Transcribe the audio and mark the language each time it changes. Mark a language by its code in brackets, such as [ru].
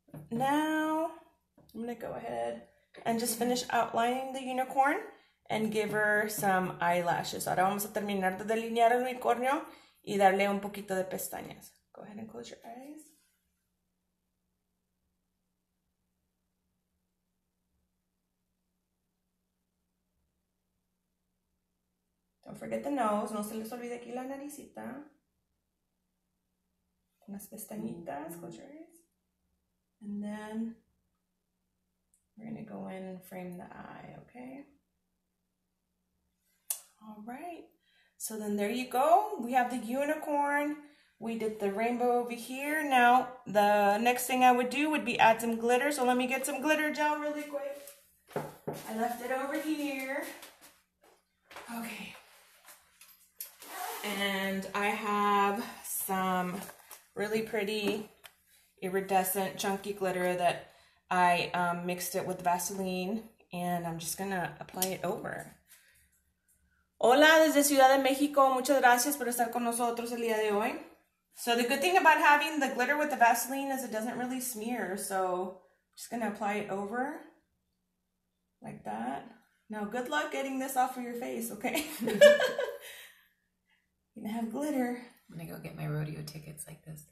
[en] Now, I'm gonna go ahead and just finish outlining the unicorn and give her some eyelashes. [es] Ahora vamos a terminar de delinear el unicornio y darle un poquito de pestañas. [en] Go ahead and close your eyes. Don't forget the nose. [es] No se les olvide aquí la naricita. Unas pestañitas. [en] Close your eyes. And then we're going to go in and frame the eye, okay? All right. So then there you go. We have the unicorn. We did the rainbow over here. Now the next thing I would do would be add some glitter. So let me get some glitter gel really quick. I left it over here. Okay. And I have some really pretty iridescent chunky glitter that I mixed it with Vaseline, and I'm just gonna apply it over. [es] Hola desde Ciudad de México, muchas gracias por estar con nosotros el día de hoy. [en] So the good thing about having the glitter with the Vaseline is it doesn't really smear, so I'm just gonna apply it over like that. Now good luck getting this off of your face, okay? Gonna have glitter. I'm gonna go get my rodeo tickets like this.